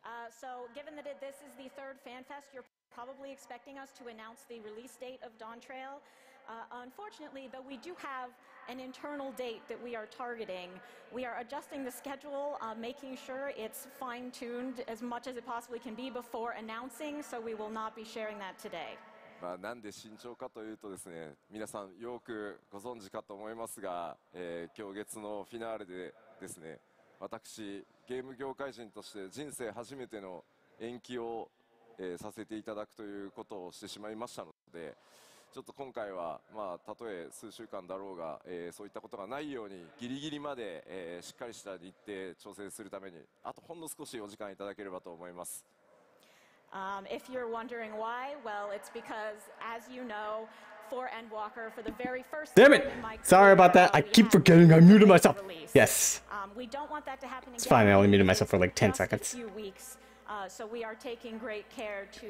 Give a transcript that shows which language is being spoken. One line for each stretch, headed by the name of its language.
English: So, given that this is the third FanFest, you're probably expecting us to announce the release date of Dawntrail. Unfortunately, though, we do have an internal date that we are targeting. We are adjusting the schedule, making sure it's fine-tuned as much as it possibly can be before announcing, so we will not be sharing that today.
Japanese: まあ、なんで慎重かというとですね、皆さんよくご存知かと思いますが、今日月のフィナーレでですね、私ゲーム業界人として人生初めての延期を、させていただくということをしてしまいましたので、ちょっと今回はまあたとえ数週間だろうが、そういったことがないようにギリギリまで、しっかりした日程調整するためにあとほんの少しお時間いただければと思います。
English: If you're wondering why, well, it's because, as you know, for Endwalker, for the very first time. Damn it! Sorry about that. I keep forgetting. I muted myself. Yes. We don't want that to happen again. It's fine. I only muted myself for like 10 seconds. Just a few weeks. So we are taking great care to.